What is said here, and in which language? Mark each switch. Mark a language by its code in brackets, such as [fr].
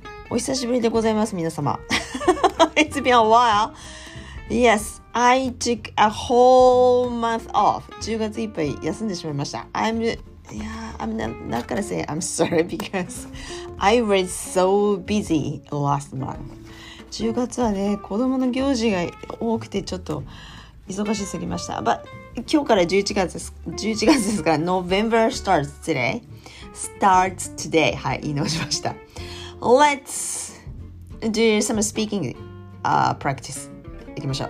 [ja] お久しぶりでございます、皆様。 [en] It's been a while. Yes, I took a whole month off. [ja] 10月いっぱい休んでしまいました。 [en] I'm not gonna say I'm sorry because I was so busy last month. [ja] 10月はね、子供の行事が多くてちょっと忙しすぎました。 But 今日から11月ですから、 [en] November starts today. Starts today. [ja] はい、言い直しました。 [en] Let's do some speaking practice. [ja] 行きましょう。